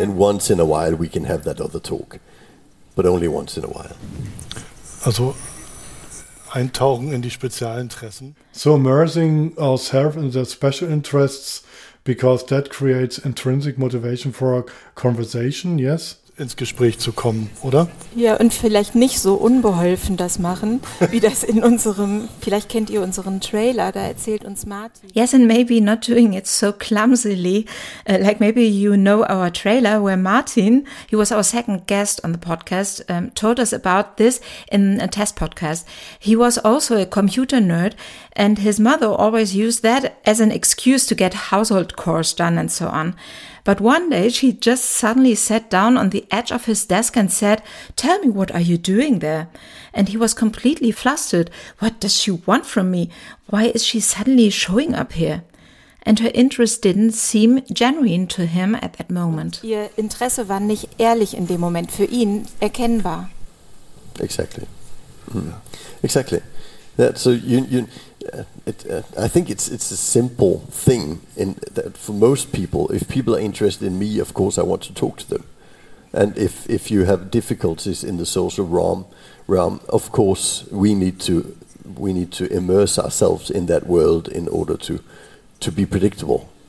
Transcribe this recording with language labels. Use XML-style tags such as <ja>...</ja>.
<en>And once in a while we can have that other talk, but only once in a while.</en> <de>Also, eintauchen in die Spezialinteressen.</de> <en>So immersing ourselves in the special interests, because that creates intrinsic motivation for a conversation, yes?</en> <de>Ins Gespräch zu kommen, oder? Ja, und vielleicht nicht so unbeholfen das machen, wie das in unserem, vielleicht kennt ihr unseren Trailer, da erzählt uns Martin.</de> <en>Yes, and maybe not doing it so clumsily, like maybe you know our trailer, where Martin, he was our second guest on the podcast, told us about this in a test podcast. He was also a computer nerd, and his mother always used that as an excuse to get household chores done and so on. But one day she just suddenly sat down on the edge of his desk and said, "Tell me, what are you doing there?" And he was completely flustered. What does she want from me? Why is she suddenly showing up here? And her interest didn't seem genuine to him at that moment.</en> <de>Ihr Interesse war nicht ehrlich in dem Moment, für ihn erkennbar.</de> <en>Exactly. Exactly. I think it's a simple thing in that for most people. If people are interested in me, of course I want to talk to them. And if you have difficulties in the social realm, of course we need to immerse ourselves in that world in order to be predictable.</en>